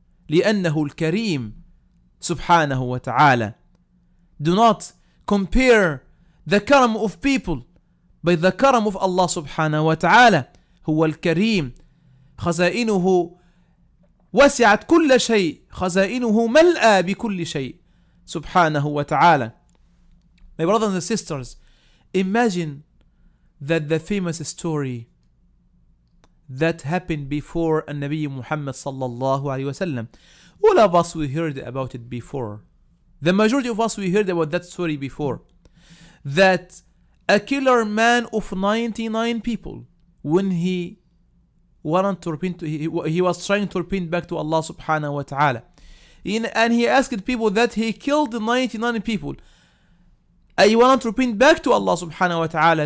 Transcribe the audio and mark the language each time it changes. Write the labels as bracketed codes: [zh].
[ar] لأنه الكريم سبحانه وتعالى. [en] Do not compare the karam of people by the karam of Allah subhanahu wa ta'ala. [ar] هو الكريم خزائنه وسعت كل شيء, خزائنه ملأ بكل شيء سبحانه وتعالى. [en] My brothers and sisters, imagine that the famous story that happened before Nabi Muhammad sallallahu alayhi wa sallam, all of us, we heard about it before. The majority of us, we heard about that story before, that a killer man of 99 people, when he wanted to repent, he was trying to repent back to Allah subhanahu wa ta'ala, and he asked people that he killed 99 people, I want to repent back to Allah subhanahu wa ta'ala.